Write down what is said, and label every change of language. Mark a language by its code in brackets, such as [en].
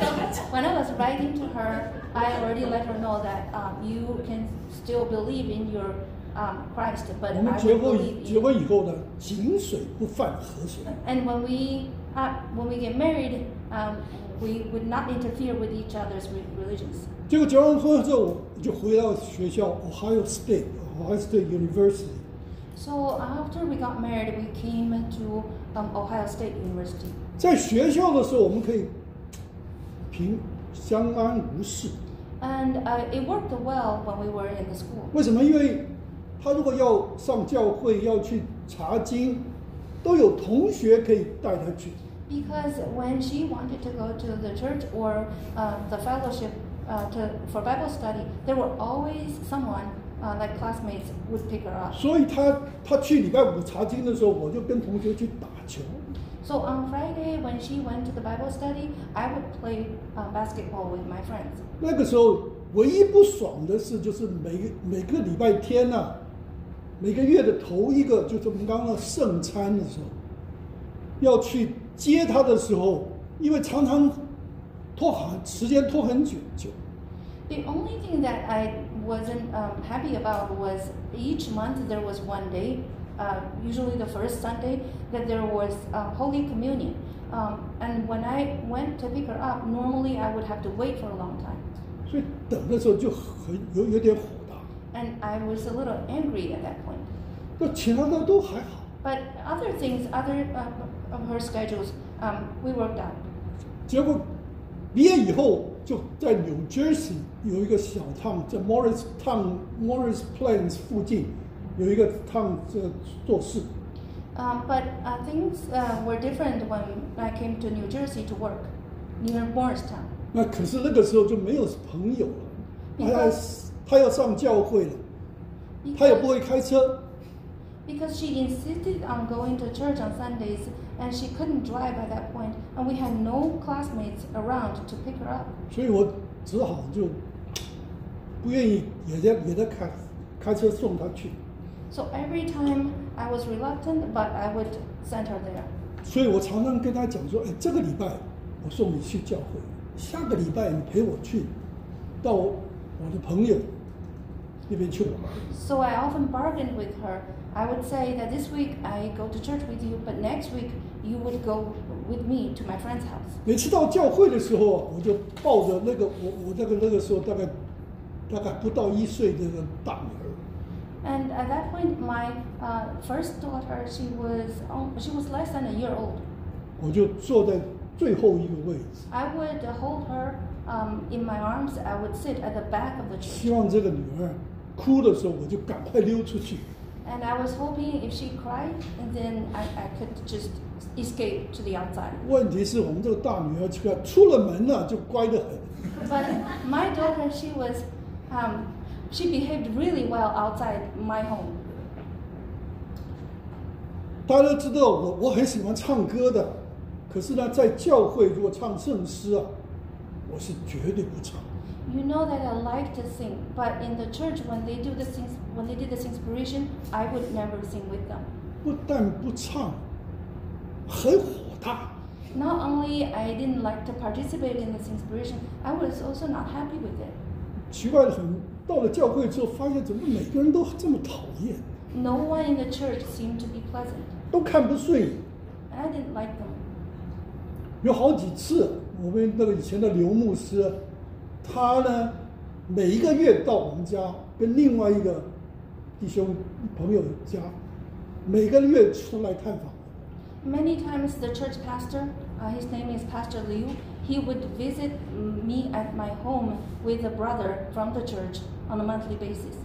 [en] So when I was writing to her, I already let her know that you can still believe in your Christ, but [zh] 我们结婚以后呢，井水不犯河水。 [en] And when we get married, we would not interfere with each other's religions. [zh] 结果结完婚之后，我就回到学校 Ohio State, Ohio State University. [en] So after we got married, we came to Ohio State University. [zh] 在学校的时候，我们可以相安无事。 [en] And it worked well when we were in the school. [zh] 为什么？因为他如果要上教会，要去查经，都有同学可以带他去。 [en] Because when she wanted to go to the church or the fellowship for Bible study, there were always someone like classmates would pick her up. [zh] 所以她去礼拜五查经的时候，我就跟同学去打球。 [en] So on Friday when she went to the Bible study, I would play basketball with my friends. [zh] 那个时候唯一不爽的事就是每个礼拜天呐、啊，每个月的头一个就是我们刚刚圣餐的时候，要去。接他的时候，因为常常时间拖很久。 [en] The only thing that I wasn't happy about was each month there was one day, usually the first Sunday, that there was Holy Communion. And when I went to pick her up, normally I would have to wait for a long time. [zh] 所以等的时候就有点火大。 [en] And I was a little angry at that point. [zh] 那其他的都还好。 [en] But other things, of her schedules, we worked out. [zh] 结果毕业以后就在 New Jersey 有一个小 town 叫 Morris Town, Morris Plains 附近有一个 town 做事。 [en] But things were different when I came to New Jersey to work near Morris Town. [zh] 那可是那个时候就没有朋友了，他要上教会了，他也不会开车。 [en] Because she insisted on going to church on Sundays, and she couldn't drive at that point, and we had no classmates around to pick her up. [zh] 所以我只好就不愿意也在开车送她去。 [en] So every time I was reluctant, but I would send her there. [zh] 所以我常常跟她讲说，哎，这个礼拜我送你去教会，下个礼拜你陪我去，到我的朋友那边去玩。 [en] So I often bargained with her. I would say that this week I go to church with you, but next week you would go with me to my friend's house. [zh] 每次到教会的时候，我就抱着那个我那个时候大概不到一岁的大女儿。 [en] And at that point, my first daughter, she was less than a year old. [zh] 我就坐在最后一个位置。 [en] I would hold her in my arms. I would sit at the back of the church. [zh] 希望这个女儿哭的时候，我就赶快溜出去。 [en] And I was hoping if she cried, and then I could just escape to the outside. [zh] 问题是我们这个大女儿出来出了门了、啊、就乖得很。 [en] But my daughter, she was, she behaved really well outside my home. [zh] 大家都知道我很喜欢唱歌的，可是呢，在教会如果唱圣诗啊，我是绝对不唱。 [en] You know that I like to sing, but in the church when they do the things, when they did the inspiration, I would never sing with them. [zh] 不但不唱，很火大。 [en] Not only I didn't like to participate in the inspiration, I was also not happy with it. [zh] 奇怪的很，到了教会之后，发现怎么每个人都这么讨厌。 [en] No one in the church seemed to be pleasant. [zh] 都看不顺 [en] 眼。I didn't like them. [zh] 有好几次，我们那个以前的刘牧师。他呢，每一个月到我们家跟另外一个弟兄朋友家，每个月出来探访。 [en] Many times the church pastor, his name is Pastor Liu, he would visit me at my home with a brother from the church on a monthly basis.